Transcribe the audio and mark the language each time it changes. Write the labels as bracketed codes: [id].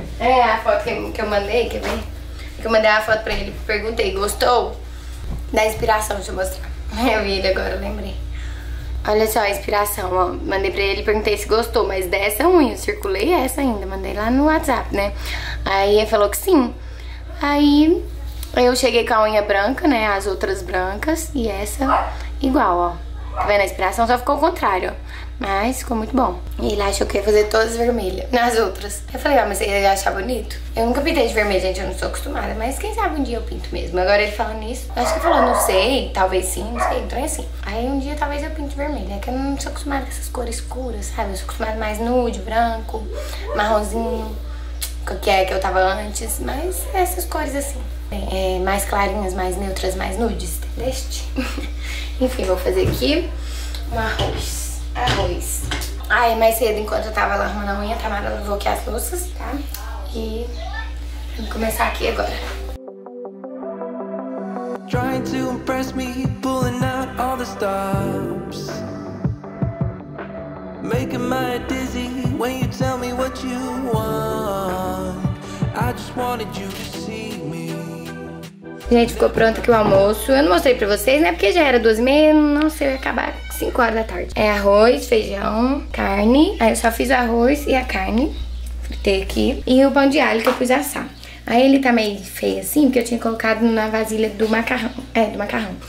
[pt] É a foto que eu mandei, quer ver? Que eu mandei a foto pra ele, perguntei, gostou? Dá inspiração, deixa eu mostrar. Eu vi ele agora, eu lembrei. Olha só a inspiração, ó. Mandei pra ele e perguntei se gostou, mas dessa unha, eu circulei essa ainda, mandei lá no WhatsApp, né? Aí ele falou que sim. Aí eu cheguei com a unha branca, né? As outras brancas, e essa igual, ó. Tá vendo a inspiração? Só ficou o contrário, ó. Mas ficou muito bom. E ele achou que ia fazer todas vermelhas. Nas outras. Eu falei, ah, mas ele ia achar bonito? Eu nunca pintei de vermelho, gente. Eu não sou acostumada. Mas quem sabe um dia eu pinto mesmo. Agora ele falando isso. Eu acho que falou, não sei. Talvez sim, não sei. Então é assim. Aí um dia talvez eu pinte de vermelho. É que eu não sou acostumada com essas cores escuras, sabe? Eu sou acostumada mais nude, branco, marronzinho. Que é que eu tava antes. Mas essas cores assim. É, mais clarinhas, mais neutras, mais nudes. Entendeste? Enfim, vou fazer aqui um arroz. Aí, mais cedo, enquanto eu tava lá arrumando a unha, a Tamara levou aqui as louças, tá? E vamos começar aqui agora. [en] Trying to impress me, pulling out all the stops. Making my dizzy when you tell me what you want. I just wanted you to see. [pt] Gente, ficou pronto aqui o almoço. Eu não mostrei pra vocês, né? Porque já era 2h30, não sei, eu ia acabar 5 horas da tarde. É arroz, feijão, carne. Aí eu só fiz o arroz e a carne. Fritei aqui. E o pão de alho que eu pus assar. Aí ele tá meio feio assim, porque eu tinha colocado na vasilha do macarrão. É, do macarrão.